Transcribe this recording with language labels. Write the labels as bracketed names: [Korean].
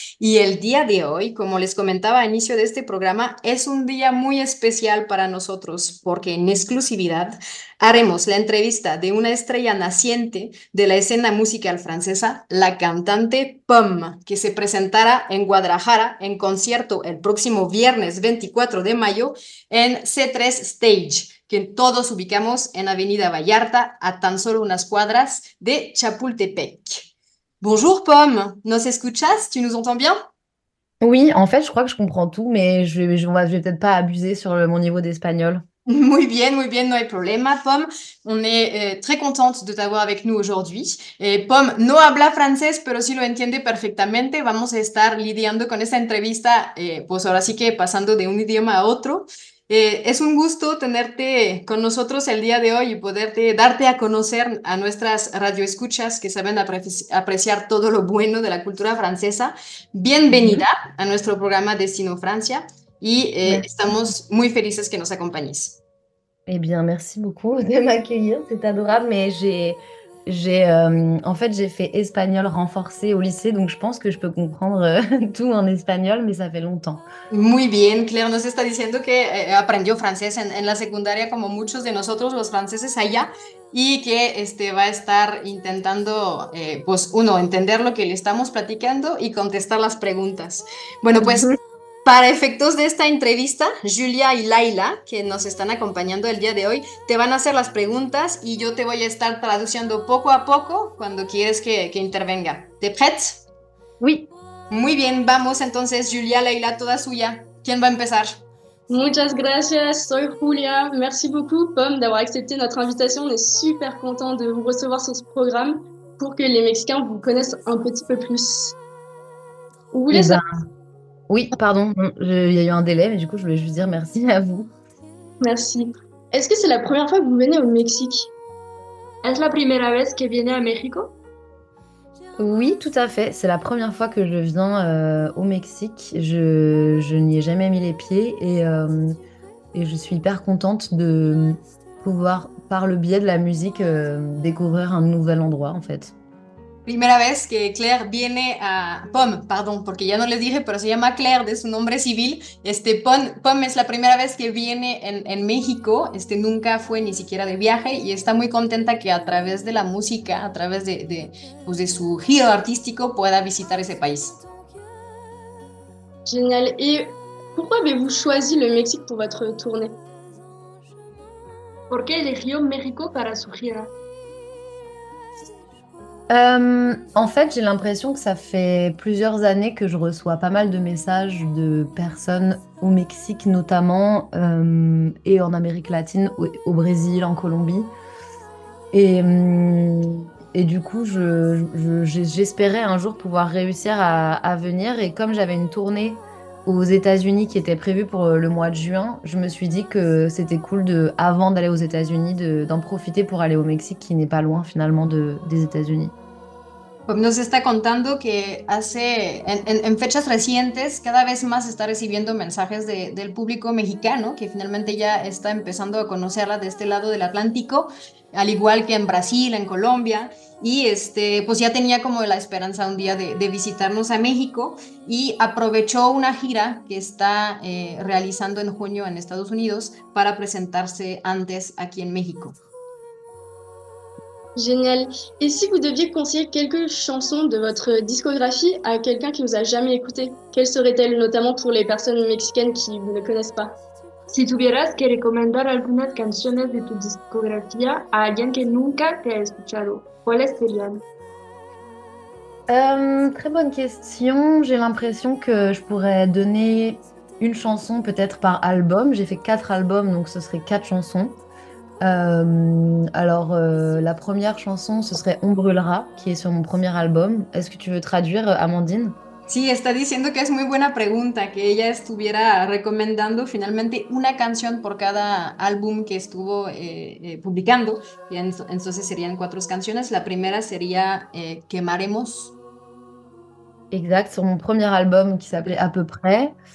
[Spanish] Y el día de hoy, como les comentaba al inicio de este programa, es un día muy especial para nosotros porque en exclusividad haremos la entrevista de una estrella naciente de la escena musical francesa, la cantante Pomme, que se presentará en Guadalajara en concierto el próximo viernes 24 de mayo en C3 Stage, que todos ubicamos en Avenida Vallarta, a tan solo unas cuadras de Chapultepec. [French] Bonjour [Spanish] Pomme, ¿nos escuchas? [French] ¿Tu nous entends bien? Oui, en fait, je crois que je comprends tout, mais je vais peut-être pas abuser sur mon niveau d'espagnol. [Spanish] Muy bien, no hay problema, Pomme. [French] On est très contente de t'avoir avec nous aujourd'hui. [Spanish] Pomme no habla francés, pero sí lo entiende perfectamente. Vamos a estar lidiando con esta entrevista, pues ahora sí que pasando de un idioma a otro. Es un gusto tenerte con nosotros el día de hoy y poderte darte a conocer a nuestras radioescuchas que saben apreciar todo lo bueno de la cultura francesa. Bienvenida a nuestro programa Destino Francia. Y estamos muy felices que nos acompañes. [French] Eh bien, merci beaucoup de m'accueillir, c'est adorable, mais j'ai fait espagnol renforcé au lycée, donc je pense que je peux comprendre tout en espagnol, mais ça fait longtemps. [Spanish] Muy bien, Claire nos está diciendo que aprendió francés en la secundaria como muchos de nosotros los franceses allá, y que va a estar intentando, pues uno, entender lo que le estamos platicando y contestar las preguntas. Bueno, pues... Para efectos de esta entrevista, Julia y Laila, que nos están acompañando el día de hoy, te van a hacer las preguntas y yo te voy a estar traduciendo poco a poco cuando quieres que intervenga. [French] ¿Te prêts? Oui. [Spanish] Muy bien, vamos entonces, Julia, Laila, toda suya. ¿Quién va a empezar? Muchas gracias, soy Julia. [French] Merci beaucoup, Pomme, d'avoir accepté notre invitation. On est super content de vous recevoir sur ce programme. pour que les Mexicains vous connaissent un petit peu plus. Vous voulez ça? Oui, pardon, il y a eu un délai, mais du coup, je voulais juste dire merci à vous. Merci. Est-ce que c'est la première fois que vous venez au Mexique? Est-ce la première fois que vous venez à Mexico? Oui, tout à fait. C'est la première fois que je viens au Mexique. Je n'y ai jamais mis les pieds et je suis hyper contente de pouvoir, par le biais de la musique, découvrir un nouvel endroit, en fait. [Spanish] Primera vez que Claire viene a Pom, pardon, porque ya no les dije, pero se llama Claire de su nombre civil. Pom es la primera vez que viene en México, nunca fue ni siquiera de viaje y está muy contenta que a través de la música, a través de su giro artístico, pueda visitar ese país. Genial. ¿Y por qué habéis [French] choisi le [Spanish] México para [French] votre tournée? [Spanish] ¿Por qué eligió México para su gira? En fait, j'ai l'impression que ça fait plusieurs années que je reçois pas mal de messages de personnes au Mexique notamment, et en Amérique latine, au Brésil, en Colombie. Et du coup, j'espérais un jour pouvoir réussir à venir. Et comme j'avais une tournée aux États-Unis qui était prévue pour le mois de juin, je me suis dit que c'était cool, avant d'aller aux États-Unis, d'en profiter pour aller au Mexique, qui n'est pas loin finalement des États-Unis. Nos está contando que hace en fechas recientes cada vez más está recibiendo mensajes del público mexicano, que finalmente ya está empezando a conocerla de este lado del Atlántico, al igual que en Brasil, en Colombia, y pues ya tenía como la esperanza un día de visitarnos a México y aprovechó una gira que está realizando en junio en Estados Unidos para presentarse antes aquí en México. [French] Génial. Et si vous deviez conseiller quelques chansons de votre discographie à quelqu'un qui ne vous a jamais écouté, quelles seraient-elles, notamment pour les personnes mexicaines qui ne vous connaissent pas? [Spanish] Si tuvieras que recomendar algunas canciones de tu discografía a alguien que nunca te ha escuchado, ¿cuáles serían? [French] Très bonne question. J'ai l'impression que je pourrais donner une chanson peut-être par album. J'ai fait 4 albums, donc ce serait 4 chansons. La première chanson, ce serait On brûlera, qui est sur mon premier album. Est-ce que tu veux traduire, Amandine? [Spanish] Sí, está diciendo que es muy buena pregunta que ella estuviera recomendando finalmente una canción por cada álbum que estuvo publicando. Y entonces serían 4 canciones. La primera sería Quemaremos. [French] Exact, sur mon premier album qui s'appelait À peu près.